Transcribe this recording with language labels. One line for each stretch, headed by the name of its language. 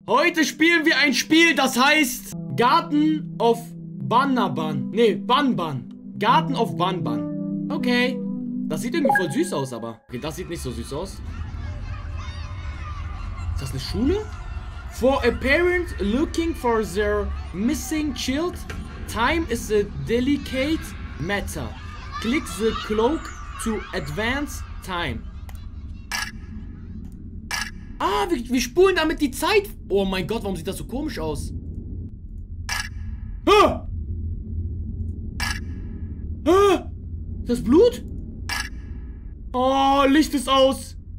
German: Heute spielen wir ein Spiel, das heißt Garten of Banaban. Nee, Banban. Garten of Banaban. Okay. Das sieht irgendwie voll süß aus, aber. Okay, das sieht nicht so süß aus. Ist das eine Schule?
English: For a parent looking for their missing child, time is a delicate matter. Click the clock to advance time.
German: Ah, wir spulen damit die Zeit. Oh mein Gott, warum sieht das so komisch aus? Ah! Ah! Das Blut? Oh, Licht ist aus.